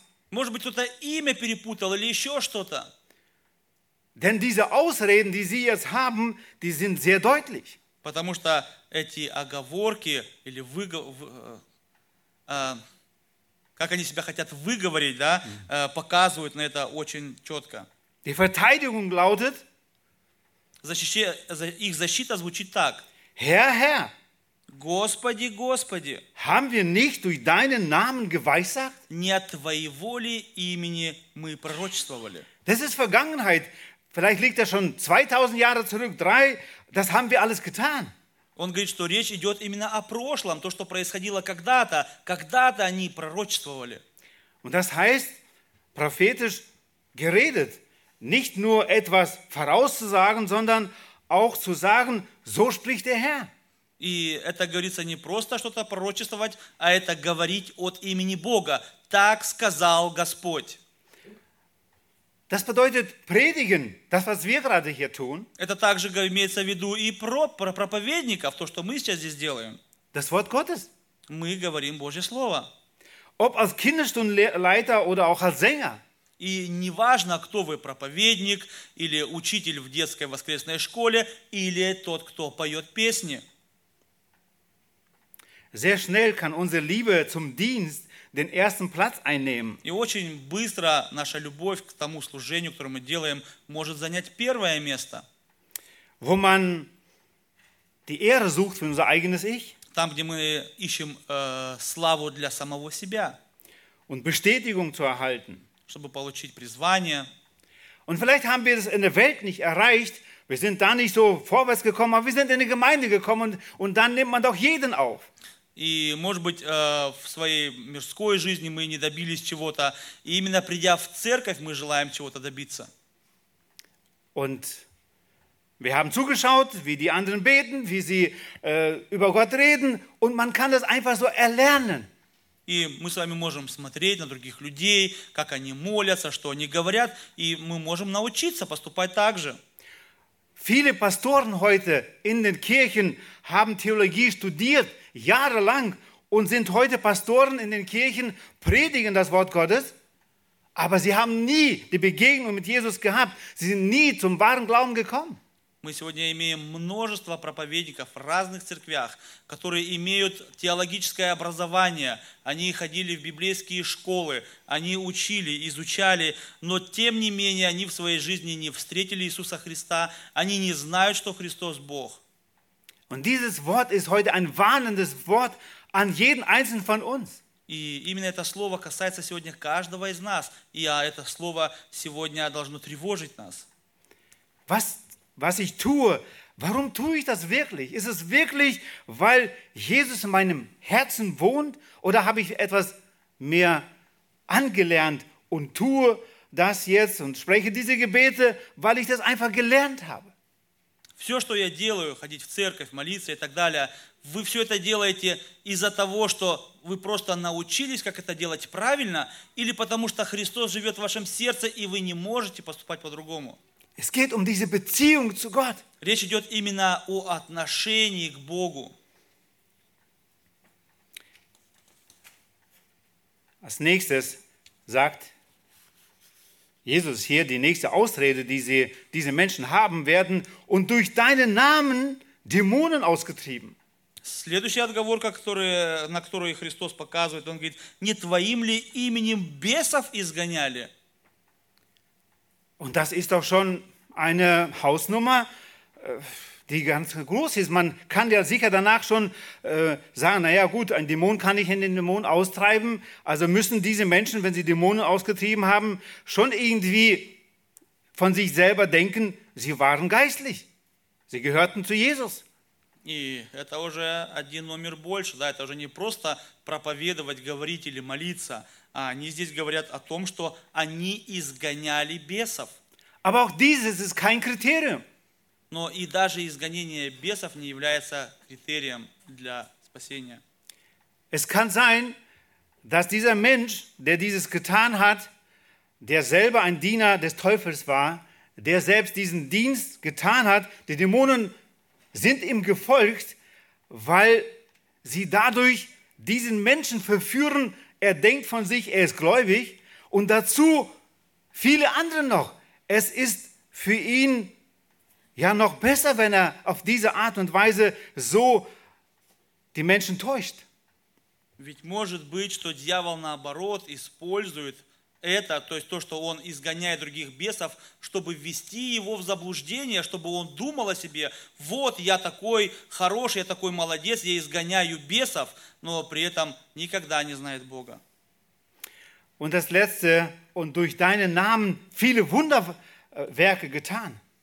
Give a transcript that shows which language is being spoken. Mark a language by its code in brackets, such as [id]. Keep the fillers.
[ru] Может быть, кто-то имя перепутал или еще что-то. [de] Denn diese Ausreden, die Sie jetzt haben, die sind sehr deutlich. [ru] Потому что эти оговорки или вы... äh, как они себя хотят выговорить, да, mm-hmm. äh, показывают на это очень четко. [de] Die Verteidigung lautet, [ru] Защи... Их защита звучит так. [de] Herr, Herr, [ru] Господи, Господи, [de] haben wir nicht durch deinen Namen geweissagt? [ru] не от Твоей воли имени мы пророчествовали. [de] Das ist Vergangenheit. Vielleicht liegt das schon 2000 Jahre zurück, drei, das haben wir alles getan. [ru] Он говорит, что речь идет именно о прошлом, то, что происходило когда-то, когда-то они пророчествовали. [de] Und das heißt, prophetisch geredet, nicht nur etwas vorauszusagen, sondern auch zu sagen, so spricht der Herr. [ru] И это говорится не просто что-то пророчествовать, а это говорить от имени Бога. Так сказал Господь. [de] Das bedeutet predigen, das, was wir gerade hier tun. [ru] Это также имеется в виду и про, про, про проповедников, то, что мы сейчас здесь делаем. [de] Das Wort Gottes. [ru] Мы говорим Божье Слово. [de] Ob als Kinderstundenleiter oder auch als Sänger. [ru] И неважно, кто вы, проповедник или учитель в детской воскресной школе, или тот, кто поет песни. [de] Sehr schnell kann unsere Liebe zum Dienst den ersten Platz einnehmen. [ru] И очень быстро наша любовь к тому служению, которое мы делаем, может занять первое место. [de] Wo man die Ehre sucht für unser eigenes Ich. [ru] Там, где мы ищем äh, славу для самого себя. [de] Und Bestätigung zu erhalten. [ru] чтобы получить призвание. [de] Und vielleicht haben wir das in der Welt nicht erreicht. Wir sind da nicht so vorwärts gekommen, aber wir sind in die Gemeinde gekommen und dann nimmt man doch jeden auf. [ru] И, может быть, в своей мирской жизни мы не добились чего-то, именно придя в церковь, мы желаем чего-то добиться. [de] Und wir haben zugeschaut, wie die anderen beten, wie sie äh, über Gott reden, und man kann das einfach so erlernen. [ru] И мы с вами можем смотреть на других людей, как они молятся, что они говорят, и мы можем научиться поступать [de] Viele Pastoren heute in den Kirchen haben Theologie studiert, jahrelang, und sind heute Pastoren in den Kirchen, predigen das Wort Gottes, aber sie haben nie die Begegnung mit Jesus gehabt. Sie sind nie zum wahren Glauben gekommen. [ru] Мы сегодня имеем множество проповедников в разных церквях, которые имеют теологическое образование, они ходили в библейские школы, они учили, изучали, но тем не менее они в своей жизни не встретили Иисуса Христа, они не знают, что Христос Бог. [de] Und dieses Wort ist heute ein warnendes Wort an jeden einzelnen von uns. [ru] И именно это слово касается сегодня каждого из нас, и это слово сегодня должно тревожить нас. [de] Was was ich tue. Warum tue ich das wirklich? Ist es wirklich, weil Jesus in meinem Herzen wohnt? Oder habe ich etwas mehr angelernt und tue das jetzt und spreche diese Gebete, weil ich das einfach gelernt habe? [ru] Все, что я делаю, ходить в церковь, молиться и так далее, вы все это делаете из-за того, что вы просто научились, как это делать правильно, или потому что Христос живет в вашем сердце, и вы не можете поступать по-другому? [de] Es geht um diese Beziehung zu Gott. [ru] Речь идет именно о отношении к Богу. [de] Als nächstes sagt Jesus hier die nächste Ausrede, die sie, diese Menschen haben werden, und durch deinen Namen Dämonen ausgetrieben. [ru] Следующая отговорка, которая, на которую Христос показывает, он говорит, не твоим ли именем бесов изгоняли? [de] Und das ist doch schon eine Hausnummer, die ganz groß ist. Man kann ja sicher danach schon äh, sagen, naja gut, einen Dämon kann ich in den Dämon austreiben. Also müssen diese Menschen, wenn sie Dämonen ausgetrieben haben, schon irgendwie von sich selber denken, sie waren geistlich. Sie gehörten zu Jesus. [ru] И это уже один номер больше, да, это уже не просто проповедовать, говорить или молиться, а они здесь говорят о том, что они изгоняли бесов. [de] Aber auch dieses ist kein Kriterium. [ru] Но и даже изгонение бесов не является критерием для спасения. [de] Es kann sein, dass dieser Mensch, der dieses getan hat, der selber ein Diener des Teufels war, der selbst diesen Dienst getan hat, die Dämonen sind ihm gefolgt, weil sie dadurch diesen Menschen verführen. Er denkt von sich, er ist gläubig und dazu viele andere noch. es ist für ihn ja noch besser, wenn er auf diese Art und Weise so die Menschen täuscht. [ru] Ведь может быть, что дьявол наоборот использует это, то есть то, что он изгоняет других бесов, чтобы ввести его в заблуждение, чтобы он думал о себе, вот я такой хороший, я такой молодец, я изгоняю бесов, но при этом никогда не знает Бога. [de] Und das letzte, und durch deinen Namen viele Wunderwerke getan.